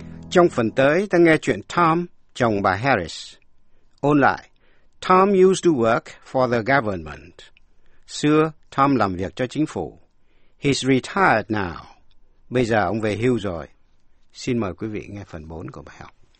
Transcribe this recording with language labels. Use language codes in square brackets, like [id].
[vi] Trong phần tới, ta nghe chuyện Tom, chồng bà Harris. Ôn lại, [en] Tom used to work for the government. [vi] Xưa, Tom làm việc cho chính phủ. [en] He's retired now. [vi] Bây giờ ông về hưu rồi. Xin mời quý vị nghe phần 4 của bài học.